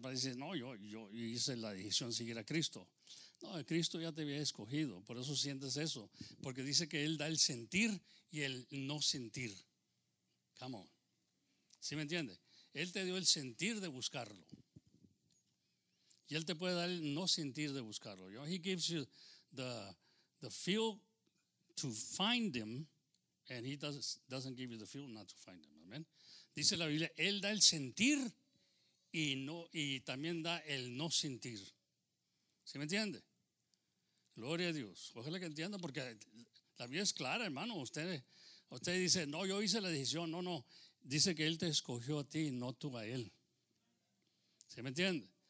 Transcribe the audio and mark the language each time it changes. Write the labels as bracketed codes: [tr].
[es] Parece que no, yo hice la decisión de seguir a Cristo. No, Cristo ya te había escogido, por eso sientes eso, porque dice que Él da el sentir y el no sentir. [en] Come on. [es] ¿Sí me entiende? Él te dio el sentir de buscarlo. Y Él te puede dar el no sentir de buscarlo. [en] You know, He gives you the feel to find Him, and He doesn't give you the feel not to find Him. Amen. [es] Dice la Biblia, Él da el sentir y también da el no sentir. ¿Sí me entiende? Gloria a Dios. Ojalá que entienda, porque la Biblia es clara, hermano. Usted dice, no, yo hice la decisión. No, no. Dice que Él te escogió a ti, no tú a Él. ¿Sí me entiende?